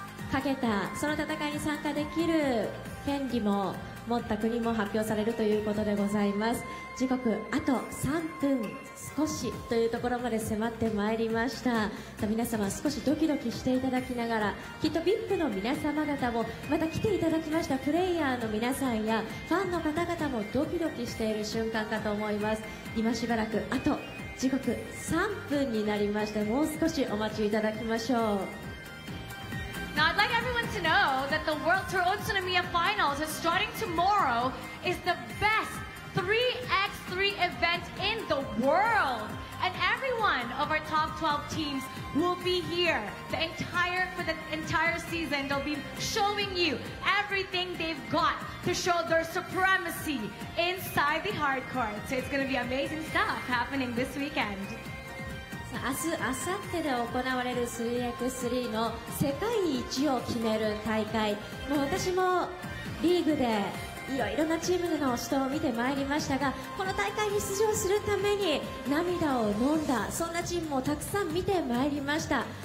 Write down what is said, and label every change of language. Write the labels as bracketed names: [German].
[Japanese] かけたその戦いに参加できる権利も 持った国も発表されるということでございます時刻あと3分少しというところまで迫ってまいりました皆様少しドキドキしていただきながらきっとVIPの皆様方もまた来ていただきましたプレイヤーの皆さんやファンの方々もドキドキしている瞬間かと思います今しばらくあと時刻3分になりましたもう少しお待ちいただきましょう [English] Now I'd like everyone to know that the World Tour Utsunomiya Finals starting tomorrow is the best 3x3 event in the world. And every one of our top 12 teams will be here for the entire season. They'll be showing you everything they've got to show their supremacy inside the hard court. So it's going to be amazing stuff happening this weekend. [Japanese] 明日、明後日で行われる3x3の世界一を決める大会もう私もリーグでいろいろなチームでの死闘を見てまいりましたがこの大会に出場するために涙を飲んだそんなチームもたくさん見てまいりました